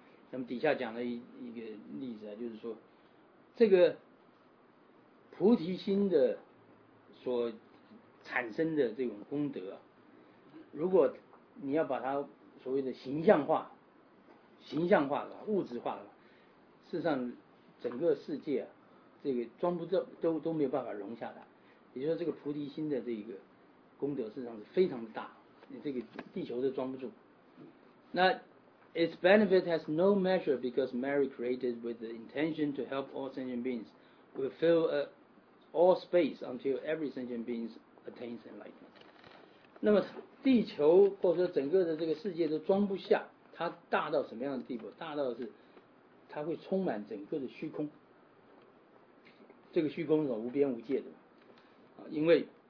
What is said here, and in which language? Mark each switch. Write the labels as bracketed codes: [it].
[zh] 那么底下讲了一个例子、啊、就是说这个菩提心的所产生的这种功德、啊、如果你要把它所谓的形象化的物质化的，事实上整个世界、啊、这个装不着都没有办法容下的，也就是说这个菩提心的这个功德事实上是非常大，你这个地球都装不住。 [en] 那 its benefit has no measure because merit created with the intention to help all sentient beings will fill all space until every sentient being attains enlightenment. [zh] 那么地球或者说整个的这个世界都装不下，它大到什么样的地步？大到是它会充满整个的虚空，这个虚空是无边无界的，因为